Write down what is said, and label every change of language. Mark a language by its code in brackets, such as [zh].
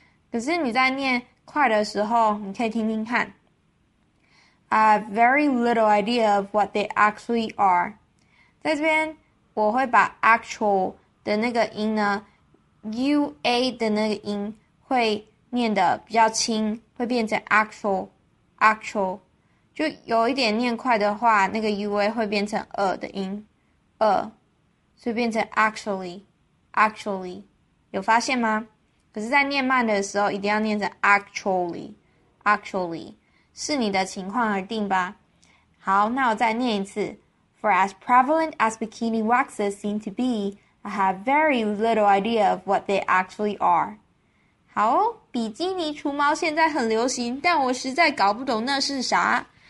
[zh] 可是你在念快的时候，你可以听听看。 [en] I have very little idea of what they actually are， [zh] 在这边。我会把 actual 的那个音呢，ua 的那个音会念得比较轻，会变成 actual，就有一点念快的话，那个 ua 会变成的音，所以变成 actually，有发现吗？可是，在念慢的时候，一定要念成 actually，视你的情况而定吧。好，那我再念一次。 [en] For as prevalent as bikini waxes seem to be, I have very little idea of what they actually are. [zh] 好哦，比基尼除毛现在很流行，但我实在搞不懂那是啥。